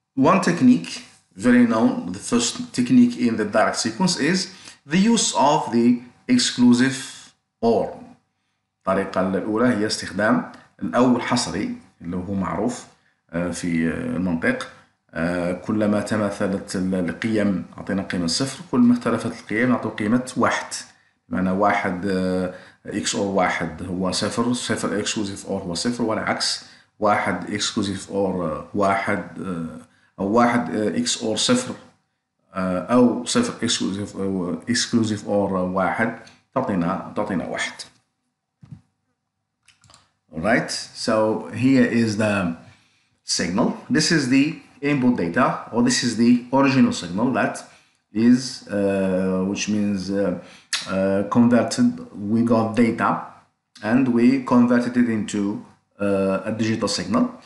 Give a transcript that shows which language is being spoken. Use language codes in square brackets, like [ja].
[en] One technique very known, the first technique in the direct sequence, is the use of the exclusive OR. [ar] الطريقة الأولى هي استخدام الأول حصري اللي هو معروف في المنطق. كلما تماثلت القيم أعطينا قيمة صفر، كلما اختلفت القيم أعطوا قيمة واحد. بمعنى واحد XOR واحد هو صفر، صفر exclusive OR هو صفر، والعكس واحد إكسكلوزيف أور واحد، أو واحد إكس أور صفر، أو صفر إكسكلوزيف أور واحد، تعطينا واحد. [en] Alright, so here is the signal. This is the input data, or this is the original signal that is which means converted. We got data and we converted it into a digital signal.